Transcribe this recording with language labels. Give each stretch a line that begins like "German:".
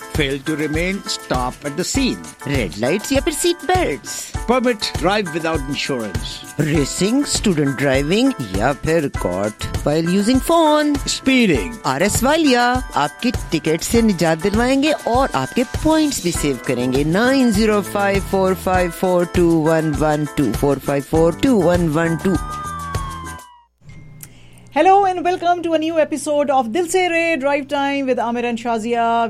English: fail to remain stop at the scene red lights یا پھر seat belts permit drive without insurance racing student driving یا پھر caught while using phone speeding
Urdu: R S والیا آپ کی ticket سے نجات دلوائیں گے اور آپ کے پوائنٹس بھی سیو کریں گے 905-454-2112 454-2112
English: Hello and welcome to a new episode of Dil Se Re Drive Time with Amir and Shazia.